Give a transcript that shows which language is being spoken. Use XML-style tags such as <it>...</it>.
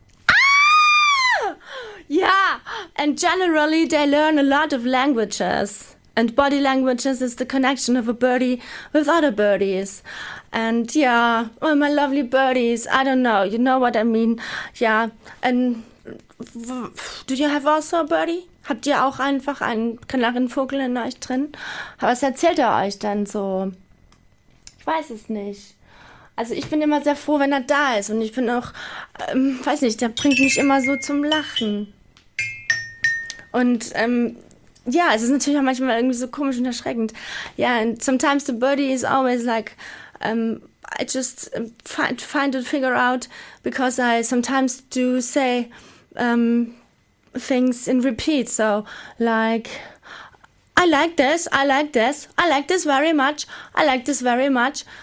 <en>Ah! Yeah, and generally they learn a lot of languages, and body languages is the connection of a birdie with other birdies. And yeah, oh, my lovely birdies, I don't know, you know what I mean. Yeah, and do you have also a birdie?</en> <de>Habt ihr auch einfach einen Kanarienvogel in euch drin? Was erzählt euch denn so? Ich weiß es nicht. Also ich bin immer sehr froh, wenn da ist. Und ich bin auch, weiß nicht, der bringt mich immer so zum Lachen. Und ja, es ist natürlich auch manchmal irgendwie so komisch und erschreckend.</de> <en>Ja, yeah, and sometimes the birdie is always like, I just find it, figure out, because I sometimes do say things in repeat. So, like, I like this, I like this, I like this very much, I like this very much.</en>